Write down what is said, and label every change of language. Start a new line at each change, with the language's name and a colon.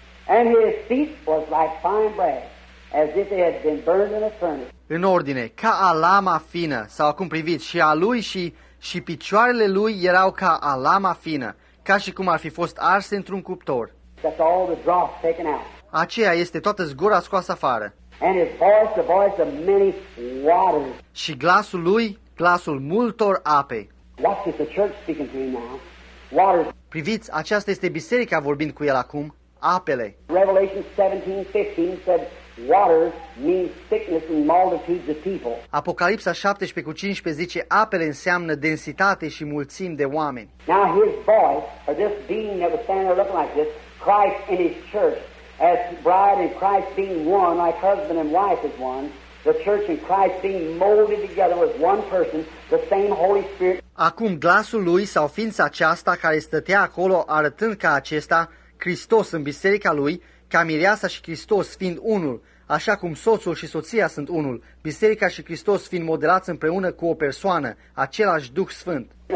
English: And his feet was like fine bread, as if they had been burned in a furnace.
Romanian: În ordine, ca alama fină, sau acum priviți, și a lui și picioarele lui erau ca alama fină, ca și cum ar fi fost arse într-un cuptor.
English: That's all the dross taken out.
Romanian: Aceea este toată zgura scoasă afară.
English: And his voice, the voice of many waters.
Romanian: Și glasul lui, glasul multor ape.
English: Watch it, the church speaking to him now. Waters.
Romanian: Priviți, aceasta este biserica vorbind cu el acum, apele.
English: Revelation 17:15 said waters means thickness and multitudes of people.
Romanian: Apocalipsa 17:15 zice apele înseamnă densitate și mulțimi de oameni.
English: Now his voice, or this being that was standing there looking like this, Christ in his church. As bride and Christ being one, like husband and wife is one, the church and Christ being molded together with one person, the same Holy Spirit.
Romanian: Acum glasul lui sau ființa aceasta care stătea acolo arătând ca acesta, Hristos în biserica lui, ca mireasa și Hristos fiind unul, așa cum soțul și soția sunt unul, biserica și Hristos fiind modelați împreună cu o persoană, același Duh Sfânt.